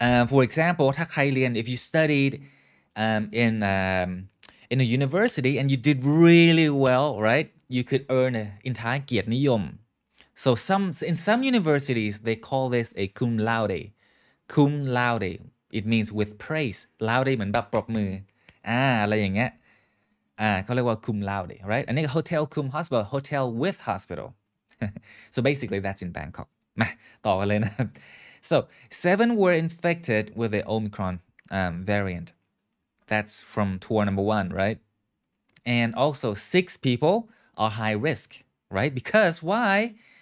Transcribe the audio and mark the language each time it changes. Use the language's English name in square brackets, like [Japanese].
[English] For example, [Thai] ถ้าใครเรียน, [English] if you studied in a university and you did really well, right? You could earn an entire [Thai] เกียรตินิยม. [English] So in some universities, they call this a cum laude. Cum laude. It means with praise. Laude [Thai] เหมือนแบบปรบมืออะไรอย่างเงี้ยเขาเรียกว่า [English] cum laude, right? [Thai] อันนี้ [English] hotel cum hospital, hotel with hospital. So basically, that's in Bangkok. [Thai] มาต่อกันเลยนะ [English] So 7 were infected with the Omicron variant. That's from tour number 1, right? And also 6 people are high risk, right? Because why?